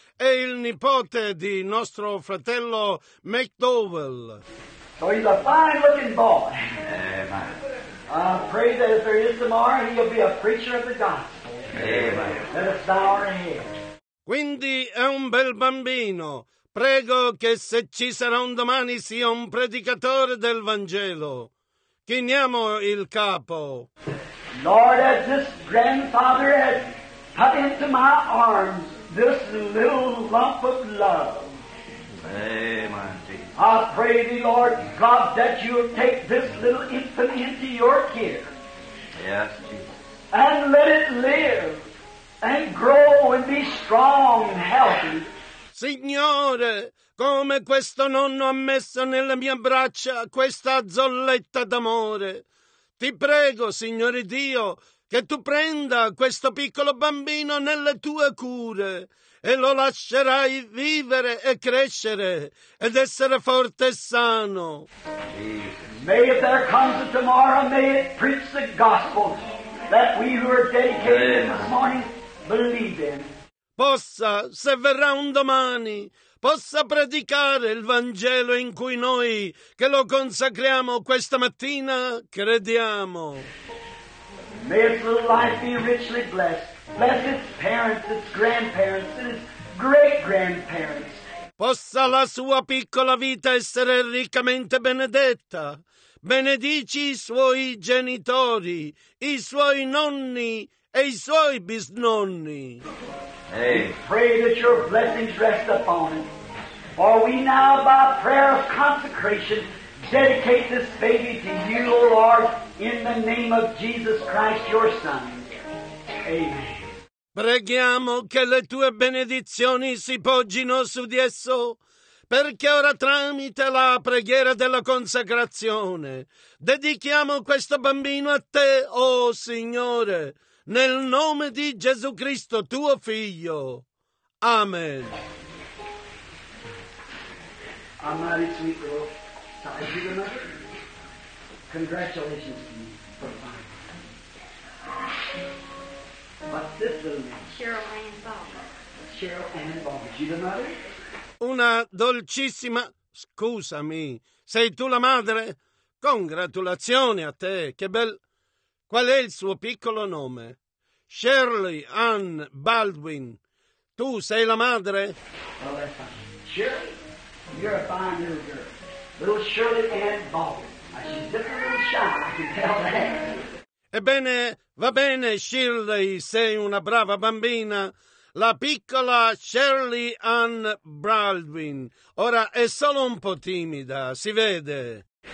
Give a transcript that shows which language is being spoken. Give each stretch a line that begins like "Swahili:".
Italian: È il nipote di nostro fratello McDowell.
English: So he's a fine looking boy. Amen. Pray that if there is tomorrow, he'll be a preacher of the gospel. Amen. Let us bow our heads.
Italian: Quindi è un bel bambino. Prego che se ci sarà un domani sia un predicatore del Vangelo. Chiniamo il capo.
English: Lord, as this grandfather has put into my arms this little lump of love. Amen. I pray thee, Lord God, that you will take this little infant into your care. Yes, Jesus. And let it live and grow and be strong and healthy.
Italian: Signore, come questo nonno ha messo nelle mie braccia questa zolletta d'amore. Ti prego, Signore Dio, che tu prenda questo piccolo bambino nelle tue cure e lo lascerai vivere e crescere ed essere forte e sano.
English: May if there comes a tomorrow, may it preach the gospel that we who are dedicated this morning believe in.
Italian: Possa, se verrà un domani, possa predicare il Vangelo in cui noi, che lo consacriamo questa mattina, crediamo.
English: May its little life be richly blessed. Bless its parents, its grandparents, and its great-grandparents.
Italian: Possa la sua piccola vita essere riccamente benedetta. Benedici i suoi genitori, i suoi nonni e i suoi bisnonni.
English: Hey. Pray that your blessings rest upon him. For we now, by prayer of consecration, dedicate this baby to you, O Lord, in the name of Jesus Christ, your Son. Amen.
Italian: Preghiamo che le tue benedizioni si poggino su di esso, perché ora tramite la preghiera della consacrazione dedichiamo questo bambino a te, oh Signore, nel nome di Gesù Cristo, tuo Figlio. Amen.
English: Amari, sweet girl, size of your mother. Congratulations to you for finding her. But this little man, Cheryl Ann Baldwin. Cheryl Ann Baldwin, she the mother?
Italian: Una dolcissima... Scusami, sei tu la madre? Congratulazioni a te, che bel... Qual è il suo piccolo nome? Shirley Ann Baldwin. Tu sei la madre?
English: Well, that's fine. Shirley, you're a fine little girl. Little Shirley Ann Baldwin. She's just a little shy, I can tell that.
Italian: Ebbene, va bene, Shirley, sei una brava bambina. La piccola Shirley Ann Baldwin. Ora è solo un po' timida, si vede.